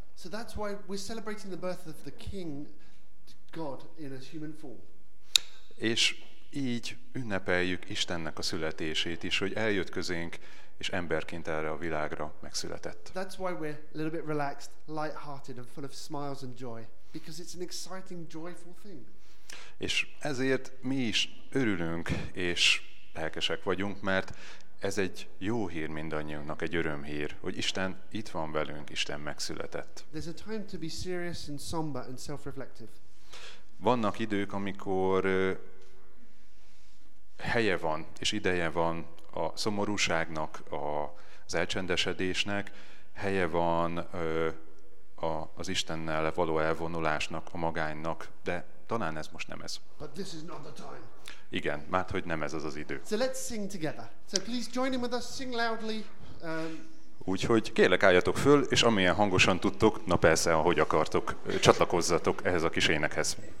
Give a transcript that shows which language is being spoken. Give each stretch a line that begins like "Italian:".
English: So that's why we're celebrating the birth of the King God in a human form.
Hungarian: És így ünnepeljük Istennek a születését is, hogy eljött közénk, és emberként erre a világra megszületett.
English: That's why we're a little bit relaxed, light-hearted and full of smiles and joy, because it's an exciting, joyful thing.
Hungarian: És ezért mi is örülünk és lelkesek vagyunk, mert ez egy jó hír mindannyiunknak, egy örömhír, hogy Isten itt van velünk, Isten megszületett.
English: There's a time to be serious and somber and self-reflective.
Hungarian: Vannak idők, amikor helye van és ideje van a szomorúságnak, az elcsendesedésnek, helye van az Istennel való elvonulásnak, a magánynak, de talán ez most nem ez.
English: But this is not the time.
Hungarian: Igen, már hogy nem ez az az idő.
English: So let's sing together. So please join in with us, sing loudly.
Hungarian: Úgyhogy kérlek, álljatok föl, és amilyen hangosan tudtok, na persze, ahogy akartok, csatlakozzatok ehhez a kis énekhez.